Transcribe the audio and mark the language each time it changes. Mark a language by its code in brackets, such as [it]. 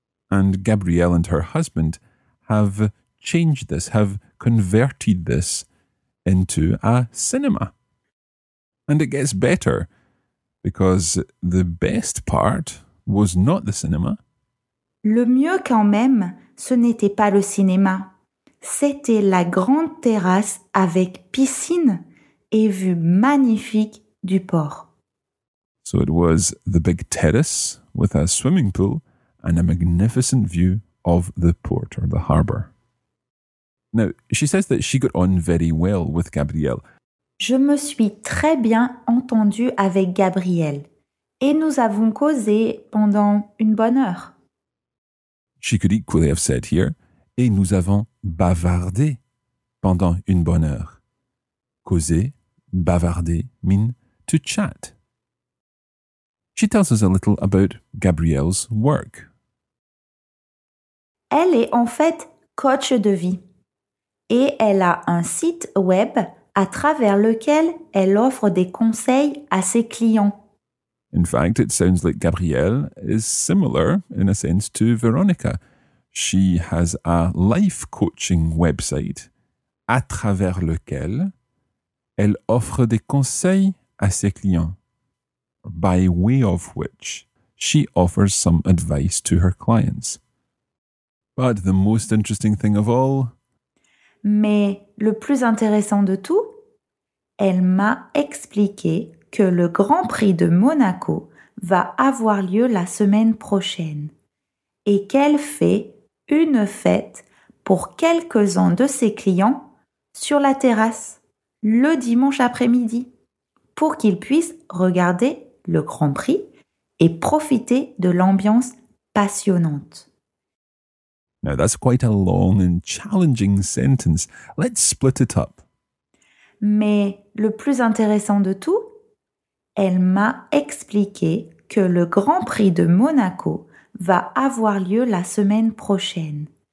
[en] And Gabrielle and her husband have changed this, have converted this into a cinema. And it gets better, because the best part was not the cinema. [fr] Le mieux quand même, ce n'était pas le cinéma. C'était la grande terrasse avec piscine et vue magnifique du port. [en] So it was the big terrace with a swimming pool and a magnificent view of the port or the harbour. Now, she says that she got on very well with Gabrielle. [fr] Je me suis très bien entendue avec Gabrielle et nous avons causé pendant une bonne heure. [en] She could equally have said here, [fr] et nous avons bavardé pendant une bonne heure. [en] Causer, bavarder, mean to chat. She tells us a little about Gabrielle's work. [fr] Elle est en fait coach de vie. Et elle a un site web à travers lequel elle offre des conseils à ses clients. [en] In fact, it sounds like Gabrielle is similar, in a sense, to Veronica. She has a life coaching website [fr] à travers lequel elle offre des conseils à ses clients. [en] By way of which, she offers some advice to her clients. But the most interesting thing of all... [fr] Mais le plus intéressant de tout, elle m'a expliqué que le Grand Prix de Monaco va avoir lieu la semaine prochaine et qu'elle fait une fête pour quelques-uns de ses clients sur la terrasse le dimanche après-midi pour qu'ils puissent regarder le Grand Prix et profiter de l'ambiance passionnante. [en] Now that's quite a long and challenging sentence. Let's split it up. [fr] Mais le plus intéressant de tout, elle m'a expliqué que le Grand Prix de Monaco va avoir lieu la semaine prochaine.